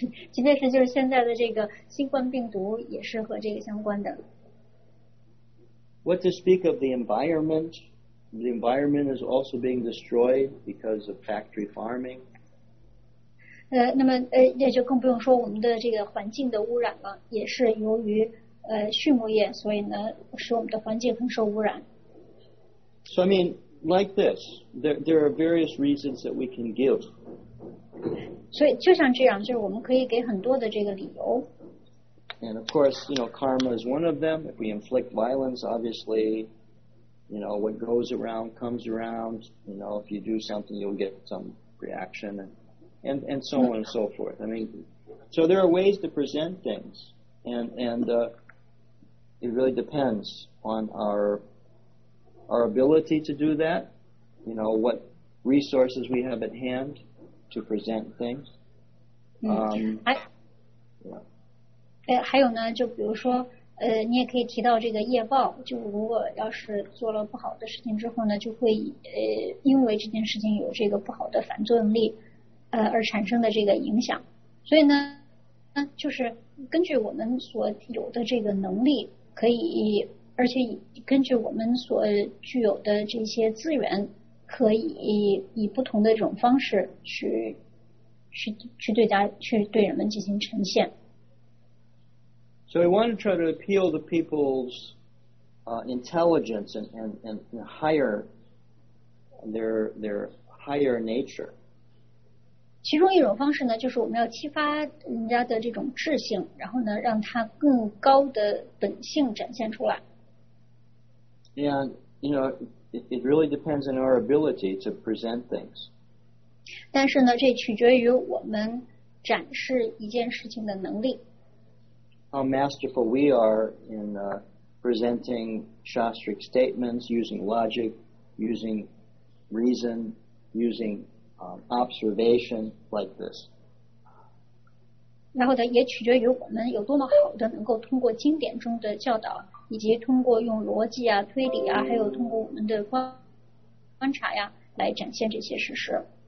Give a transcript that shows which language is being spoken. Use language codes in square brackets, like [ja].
[zh] 即便是就是现在的这个新冠病毒也是和这个相关的。 [en] What to speak of the environment? The environment is also being destroyed because of factory farming. [zh] 那么也就更不用说我们的这个环境的污染了，也是由于畜牧业，所以呢使我们的环境很受污染。 [en] So I mean, like this, there are various reasons that we can give. [zh] 所以就像这样，就是我们可以给很多的这个理由。 [en] And of course, you know, karma is one of them. If we inflict violence, obviously, you know, what goes around comes around. You know, if you do something, you'll get some reaction and so on and so forth. I mean, so there are ways to present things. And it really depends on our ability to do that. You know, what resources we have at hand to present things. Yeah. [zh] 还有呢，就比如说，你也可以提到这个业报。就如果要是做了不好的事情之后呢，就会因为这件事情有这个不好的反作用力，而产生的这个影响。所以呢，就是根据我们所有的这个能力，可以，而且根据我们所具有的这些资源，可以以不同的这种方式去对人们进行呈现。 [en] So we want to try to appeal to people's intelligence and higher their higher nature. [zh] 其中一种方式呢，就是我们要激发人家的这种智性，然后呢，让他更高的本性展现出来。 [en] And you know, it really depends on our ability to present things. [zh] 但是呢，这取决于我们展示一件事情的能力。 [en] How masterful we are in presenting Shastric statements using logic, using reason, using observation like this. [zh] 然后呢，也取决于我们有多么好的能够通过经典中的教导，以及通过用逻辑啊、推理啊，还有通过我们的观察呀，来展现这些事实。